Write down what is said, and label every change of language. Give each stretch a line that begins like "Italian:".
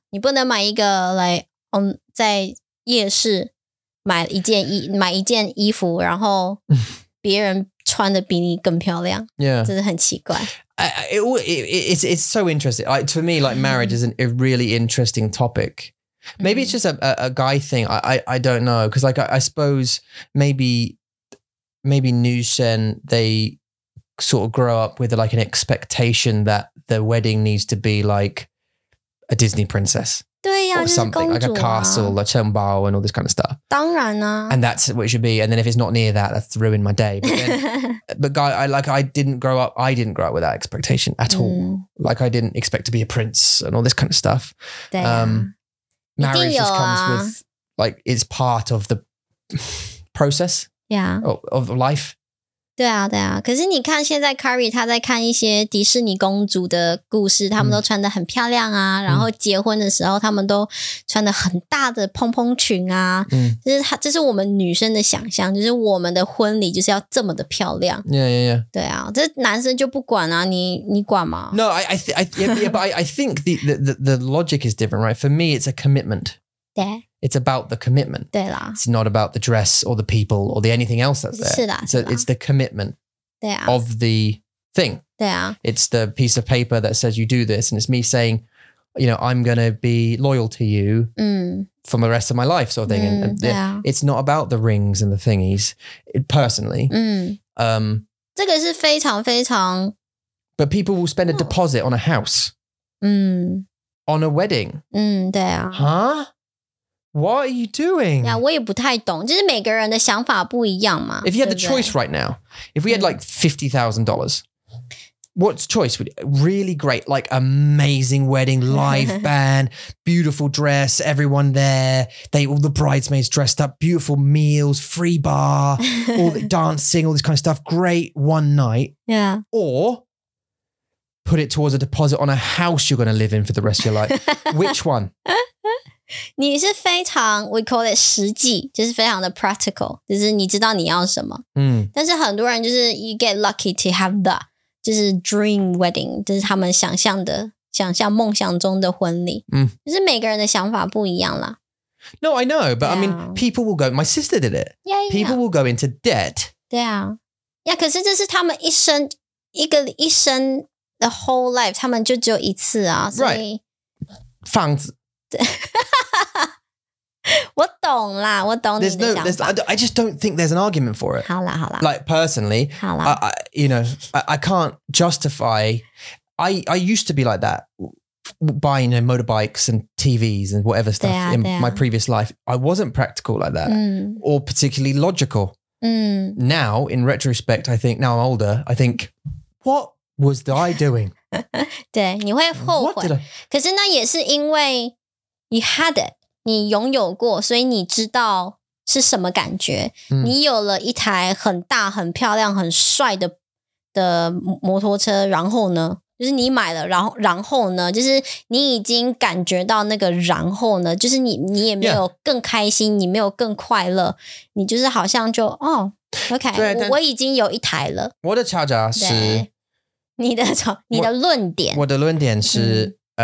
Chinese: 你不能买一个 like 在夜市买一件衣服，然后别人穿的比你更漂亮。
English: Yeah,
Chinese: 真的很奇怪。
English: It's so interesting. Like to me, like marriage is a really interesting topic. Maybe it's just a guy thing. I don't know because like I suppose maybe Nushen they. Sort of grow up with like an expectation that the wedding needs to be like a Disney princess
Chinese: 对呀、啊、
English: or something、
Chinese: 就是、
English: like a castle a
Chinese: 城堡
English: and all this kind of stuff
Chinese: 当然啊
English: and that's what it should be and then if it's not near that that's ruined my day but I didn't grow up with that expectation at all like I didn't expect to be a prince and all this kind of stuff
Chinese: 对、啊、
English: marriage just comes with like it's part of the process yeah of life
Chinese: 对啊，对啊。可是你看，现在 Carrie 她在看一些迪士尼公主的故事，她们都穿得很漂亮啊。然后结婚的时候，她们都穿得很大的蓬蓬裙啊。这是我们女生的想象，就是我们的婚礼就是要这么的漂亮。
English: Yeah, yeah, yeah.
Chinese: 对啊，这男生就不管啊，你管吗
English: ？No, I think the logic is different, right? For me, it's a commitment.
Chinese: 对。
English: It's about the commitment.
Chinese: 对啦
English: It's not about the dress or the people or the anything else that's there.
Chinese: 是啦
English: So it's the commitment
Chinese: 对啊
English: of the thing.
Chinese: 对啊
English: It's the piece of paper that says you do this. And it's me saying, you know, I'm going to be loyal to you for the rest of my life sort of thing. And
Chinese: 对啊
English: It's not about the rings and the thingies, personally.
Chinese: 这个是非常非常
English: But people will spend a deposit on a house. On a wedding.
Chinese: 对啊。
English: Huh? What are you doing? Yeah,
Chinese: 我也不太懂，就是每个人的想法不一样嘛。
English: If you had the choice right now, if we had like $50,000, what's choice? Really great, like amazing wedding, live band, beautiful dress, everyone there. They, all the bridesmaids dressed up, beautiful meals, free bar, all the dancing, all this kind of stuff. Great one night. Yeah. Or put it towards a deposit on a house you're going to live in for the rest of your life. Which one?
Chinese: 你是非常
English: we call it
Chinese: 实际, 就是非常的 practical, 就是你知道你要什么。但是很多人就是
English: you get lucky to have the
Chinese: 就是
English: dream wedding,
Chinese: 就是他们想象的想象梦想中的婚礼。就是每个人的想法不一样啦。
English: No, I know, but yeah. I mean, people will go, my sister did it. Yeah, yeah. People will go into debt.
Chinese: 对啊。可是这是他们一生
English: the whole life,
Chinese: 他们就只有一次啊。所以
English: right.
Chinese: 房子。我懂啦，我懂你的想法。
English: I just don't think there's an argument for it.
Chinese: 好啦。
English: Like personally, I can't justify. I used to be like that, buying motorbikes and TVs and whatever stuff in my previous life. I wasn't practical like that or particularly logical. Now, in retrospect, I think now I'm older. I think what was I doing?
Chinese: 对，你会后悔。可是那也是因为。
English: You had it.
Chinese: 你拥有过，所以你知道是什么感觉。你有了一台很大、很漂亮、很帅的摩托车，然后呢，就是你买了，然后呢，就是你也没有更开心，你没有更快乐，你就是好像就 OK， 我已经有一台了。我的论点是